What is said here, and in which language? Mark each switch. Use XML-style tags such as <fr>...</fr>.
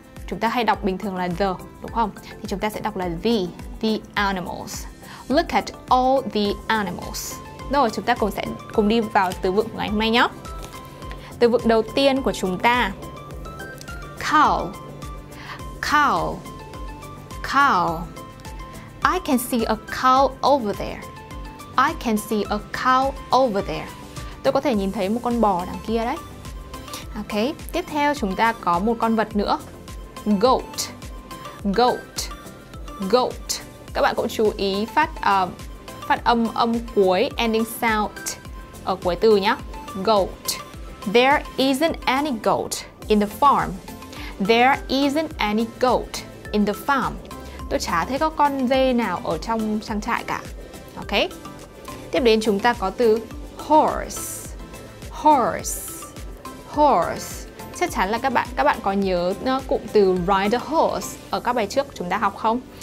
<vi>Chúng ta hay đọc bình thường là the, đúng không? Thì chúng ta sẽ đọc là the.</vi> <en>The animals. Look at all the animals.</en> <vi>Rồi, chúng ta cùng sẽ cùng đi vào từ vựng ngày hôm nay nhé. Từ vựng đầu tiên của chúng ta, cow.</vi> <en>Cow. Cow. I can see a cow over there. I can see a cow over there.</en> <vi>Tôi có thể nhìn thấy một con bò đằng kia đấy. Ok, tiếp theo chúng ta có một con vật nữa. Goat. Goat. Goat. Các bạn cũng chú ý phát âm âm cuối, ending sound ở cuối từ nhé.</vi> <en>Goat. There isn't any goat in the farm. There isn't any goat in the farm.</en> <vi>Tôi chả thấy có con dê nào ở trong trang trại cả. Ok. Tiếp đến chúng ta có từ horse. Horse. Horse. Chắc chắn là các bạn có nhớ cụm từ</vi> <en>ride a horse</en> <vi>ở các bài trước chúng ta học không?</vi>